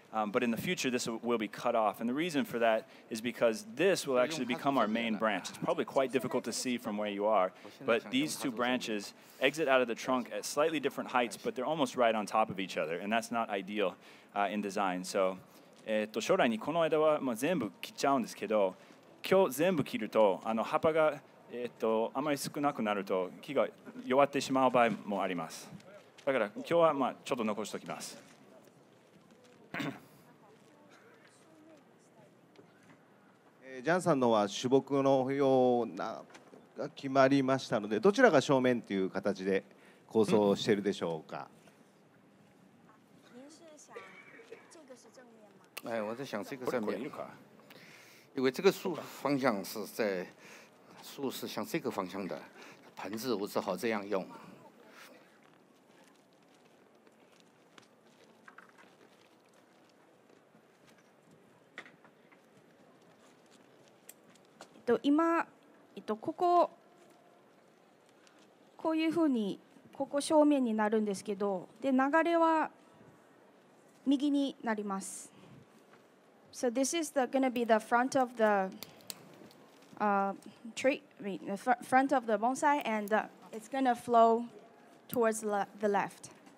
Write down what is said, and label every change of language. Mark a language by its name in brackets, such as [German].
[English] But in the future, this will be cut off. And the reason for that is because this will actually become our main branch. It's probably quite difficult to see from where you are, but these two branches exit out of the trunk at slightly different heights, but they're almost right on top of each other, and that's not ideal in design. [Japanese] So 将来にこの枝は全部切っちゃうんですけど、今日全部切るとあの葉っぱがあまり少なくなると木が弱ってしまう場合もあります。だから今日はまあちょっと残しておきます。ジャンさんのは主木のようなが決まりましたので、どちらが正面という形で構想しているでしょうか。 [Chinese] 哎，我在想这个上面，因为这个树方向是在树是向这个方向的，盆子我只好这样用。 [Japanese] 今ここ、こういうふうにここ正面になるんですけど、で流れは右になります。 [English] So this is going to be the front of the tree, I mean, the front of the bonsai, and it's going to flow towards the left.